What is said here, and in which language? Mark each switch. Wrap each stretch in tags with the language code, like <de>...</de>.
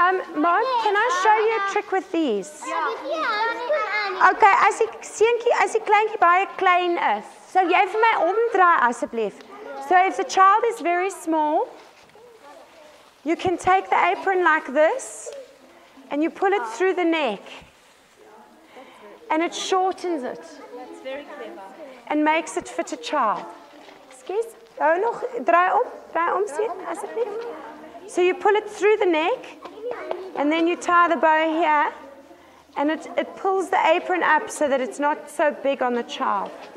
<en>Mom, can I show you a trick with these?</en> <af>Okay, as die kleintjie baie klein is. So jy vir my omdraai asseblief.</af> <en>So if the child is very small, you can take the apron like this and you pull it through the neck. And it shortens it. That's very clever. And makes it fit a child. Excuse?</en> <af>Hou nog, draai om sien asseblief.</af> <en>So you pull it through the neck and then you tie the bow here and it pulls the apron up so that it's not so big on the child.</en>